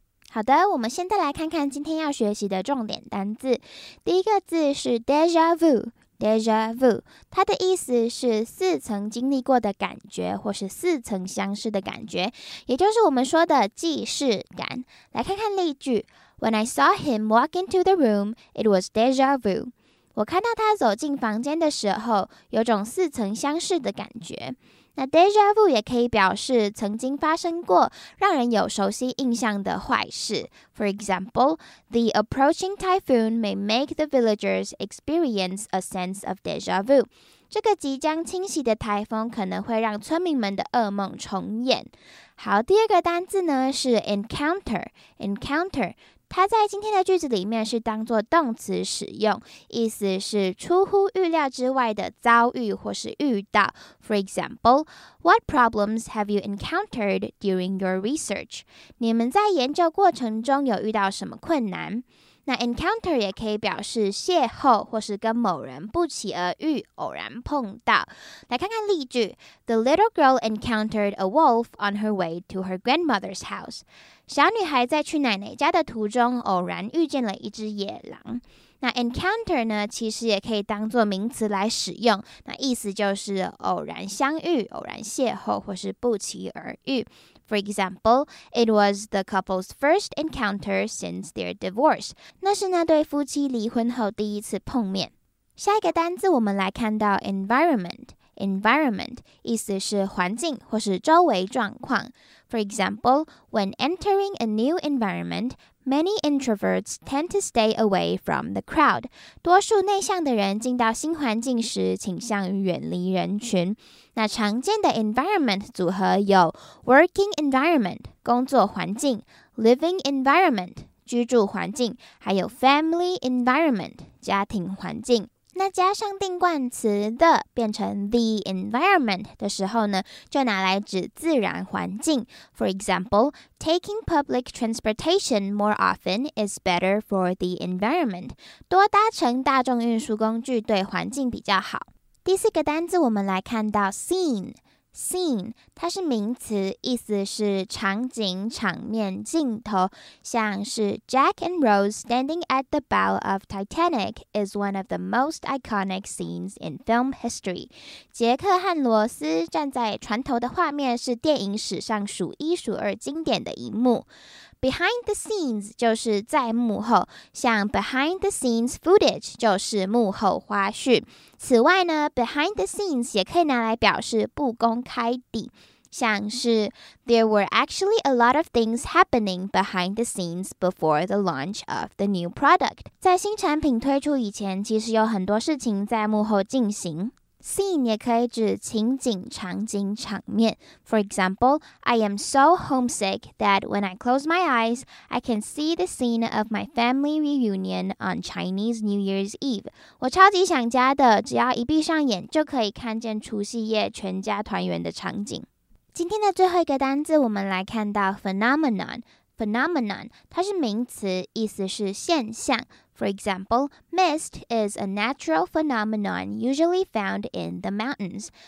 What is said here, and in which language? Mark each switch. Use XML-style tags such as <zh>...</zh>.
<zh>好的，我们现在来看看今天要学习的重点单字。第一个字是 déjà vu， 它的意思是似曾经历过的感觉，或是似曾相识的感觉，也就是我们说的既视感。来看看例句 ：</zh> <en>When I saw him walk into the room, it was déjà vu.</en> <zh>我看到他走进房间的时候，有种似曾相识的感觉。那 déjà vu 也可以表示曾经发生过让人有熟悉印象的坏事。</zh> <en>For example, the approaching typhoon may make the villagers experience a sense of déjà vu.</en> <zh>这个即将侵袭的台风可能会让村民们的噩梦重演。好，第二个单字呢是 encounter。它在今天的句子里面是当作动词使用，意思是出乎预料之外的遭遇或是遇到。</zh> <en>For example, what problems have you encountered during your research?</en> <zh>你们在研究过程中有遇到什么困难？那 encounter 也可以表示邂逅或是跟某人不期而遇，偶然碰到。来看看例句 ，</zh> <en>The little girl encountered a wolf on her way to her grandmother's house.</en> <zh>小女孩在去奶奶家的途中偶然遇见了一只野狼。那 encounter 呢，其实也可以当作名词来使用，那意思就是偶然相遇、偶然邂逅或是不期而遇。</zh> <en>For example, it was the couple's first encounter since their divorce.</en> <zh>那是那对夫妻离婚后第一次碰面。下一个单字我们来看到 environment. Environment 意思是环境或是周围状况。</zh> <en>For example, when entering a new environment, many introverts tend to stay away from the crowd.</en> <zh>多数内向的人进到新环境时倾向于远离人群。那常见的 environment 组合有 working environment, 工作环境 living environment, 居住环境还有 family environment, 家庭环境。那加上定冠词 the 变成 the environment 的时候呢，就拿来指自然环境。</zh> <en>For example, taking public transportation more often is better for the environment.</en> <zh>多搭乘大众运输工具对环境比较好。第四个单字我们来看到 scene。</zh> <en>Scene</en> <zh>它是名词，意思是场景、场面、镜头，像是</zh> <en>Jack and Rose standing at the bow of Titanic is one of the most iconic scenes in film history.</en> <zh>杰克和罗斯站在船头的画面是电影史上数一数二经典的一幕。 Behind the scenes 就是在幕后，像 behind the scenes footage 就是幕后花絮。此外呢，</zh> <en>behind the scenes</en> <zh>也可以拿来表示不公开底，像是</zh> <en>There were actually a lot of things happening behind the scenes before the launch of the new product.</en> <zh>在新产品推出以前，其实有很多事情在幕后进行。 Scene 也可以指情景、场景、场面。</zh> <en>For example, I am so homesick that when I close my eyes, I can see the scene of my family reunion on Chinese New Year's Eve.</en> <zh>我超级想家的，只要一闭上眼就可以看见除夕夜全家团圆的场景。今天的最后一个单字，我们来看到 phenomenon。 Phenomenon 它是名词，意思是现象。</zh> <en>For example, mist is a natural phenomenon usually found in the mountains.</en>